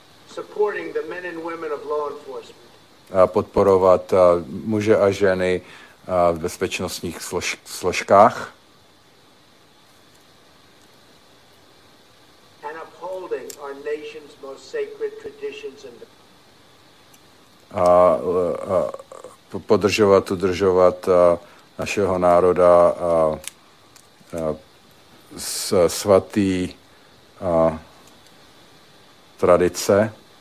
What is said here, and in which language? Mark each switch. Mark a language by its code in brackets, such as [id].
[en] Supporting the men and women of law enforcement. [cs] Podporovat muže a ženy v bezpečnostních složkách. [en] And upholding our nation's most sacred traditions and [cs] udržovat našeho národa svatý tradice.